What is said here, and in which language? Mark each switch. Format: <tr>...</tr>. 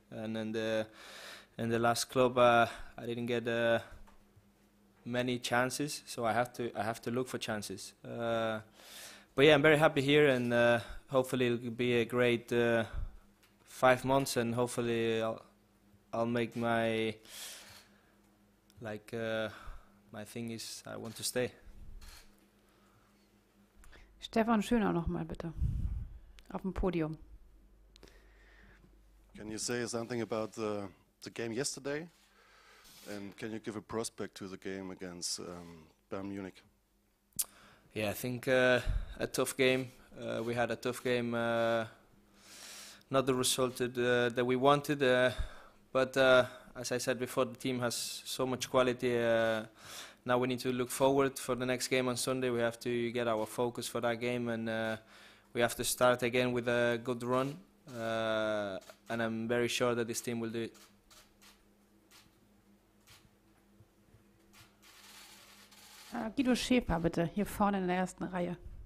<en>And in the last club, I didn't get many chances, so I have to look for chances. But yeah, I'm very happy here, and hopefully it'll be a great 5 months, and hopefully I'll make my my thing is I want to stay.</en> <de>Stefan Schöner nochmal bitte, auf dem Podium.</de> <en>Can you say something about the game yesterday? And can you give a prospect to the game against Bayern Munich? Yeah, I think a tough game. We had a tough game. Not the result that we wanted. But as I said before, the team has so much quality. Now we need to look forward for the next game on Sunday. We have to get our focus for that game, and we have to start again with a good run, and I'm very sure that this team will do it.</en> <de>Guido Schäfer, bitte, hier vorne in der ersten Reihe.</de>